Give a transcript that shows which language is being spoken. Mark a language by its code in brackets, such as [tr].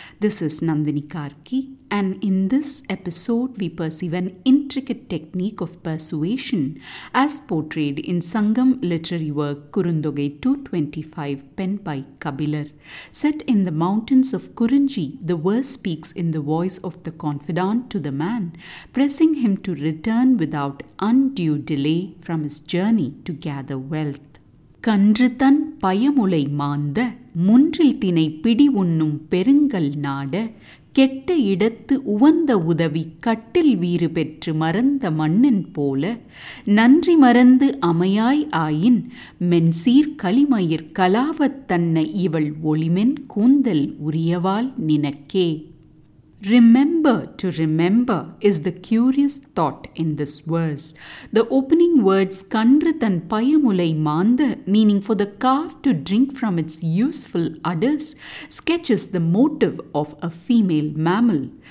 [en] This is Nandini Karki, and in this episode we perceive an intricate technique of persuasion as portrayed in Sangam literary work Kurundogai 225, penned by Kabilar. Set in the mountains of Kurunji, the verse speaks in the voice of the confidant to the man, pressing him to return without undue delay from his journey to gather wealth. [ta] கன்றுதன் பயமுலை மாந்த முன்றில் தினை பிடி உண்ணும் பெருங்கல் நாட கெட்ட இடத்து உவந்த உதவி கட்டில் வீறு பெற்று மறந்த மண்ணின் போல நன்றி மறந்து அமையாய் ஆயின் மென்சீர் களிமயிர் கலாவத்தன்னை இவள் ஒளிமென் கூந்தல் உரியவாள் நினக்கே. [en] Remember to remember is the curious thought in this verse. The opening words [ta] kandrathan payamulai maanda, [en] meaning for the calf to drink from its useful udders, sketches the motive of a female mammal.